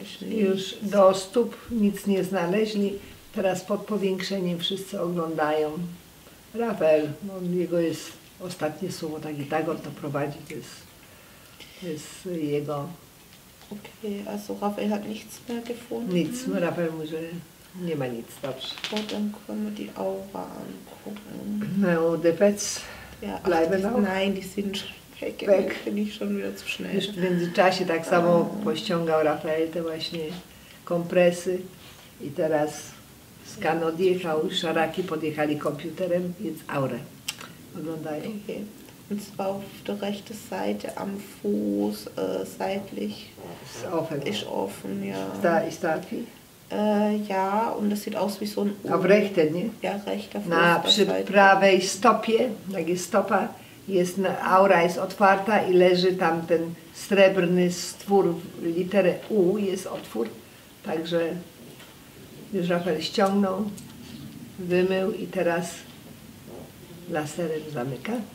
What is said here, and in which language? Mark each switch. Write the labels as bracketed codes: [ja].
[pl] Już do stóp nic nie znaleźli. Teraz pod powiększeniem wszyscy oglądają Rafael. No, jego jest ostatnie słowo, tak i tak on to prowadzi, to jest jego. [de] Okej, okay, also Rafael hat nichts mehr gefunden. [pl] Nic, Rafael mówi, nie ma nic, dobrze. [de] Potem können die Aura angucken. No, the pets bleiben auch. Nein, die sind weg, bin ich schon wieder zu schnell. [pl] Już w międzyczasie tak samo pościągał Rafael te właśnie kompresy i teraz skan odjechał, szaraki podjechali komputerem, więc aurę oglądają. Okay. [de] Und zwar auf der rechten Seite am Fuß, seitlich. Ist offen. Ist offen, ja. Ist da viel? Ja, und das sieht aus wie so ein U. Auf rechte, nie? Ja, rechter [pl] Fuß. Na, przy prawej stopie, tak jest stopa, jest, aura jest otwarta i leży tam ten srebrny stwór, literę U jest otwór, także... Już Rafael ściągnął, wymył i teraz laserem zamyka.